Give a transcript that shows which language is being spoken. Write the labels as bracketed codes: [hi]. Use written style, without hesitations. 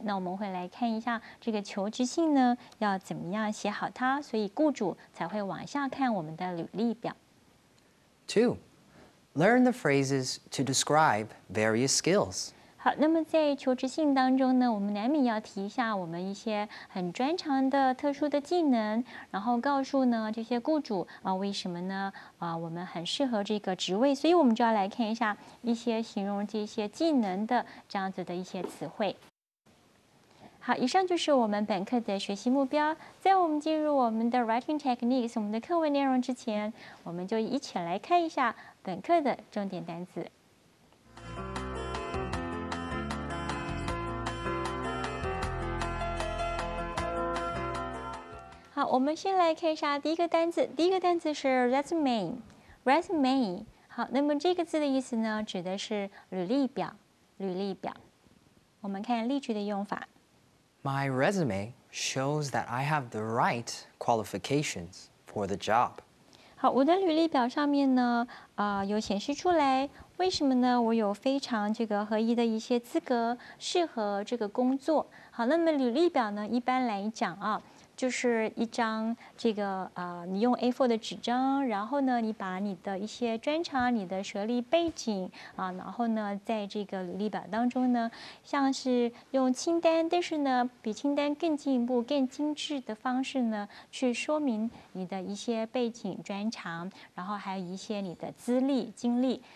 [zh] 那我们会来看一下这个求职信呢，要怎么样写好它，所以雇主才会往下看我们的履历表。 [en] Two, learn the phrases to describe various skills. [zh] 好，那么在求职信当中呢，我们难免要提一下我们一些很专长的特殊的技能，然后告诉呢这些雇主啊，为什么呢？啊，我们很适合这个职位，所以我们就要来看一下一些形容这些技能的这样子的一些词汇。好，以上就是我们本课的学习目标。在我们进入我们的 writing techniques 我们的课文内容之前，我们就一起来看一下本课的重点单词。好，我们先来看一下第一个单词。第一个单词是 resume。resume。好，那么这个字的意思呢，指的是履历表。履历表。我们看例句的用法。 [en] My resume shows that I have the right qualifications for the job。 [zh] 好，我的履历表上面呢，有显示出来，为什么呢？我有非常这个合宜的一些资格，适合这个工作。好，那么履历表呢，一般来讲啊。就是一张这个你用 A4 的纸张，然后呢，你把你的一些专长、你的学历背景啊，然后呢，在这个履历表当中呢，像是用清单，但是呢，比清单更进一步、更精致的方式呢，去说明你的一些背景、专长，然后还有一些你的资历、经历。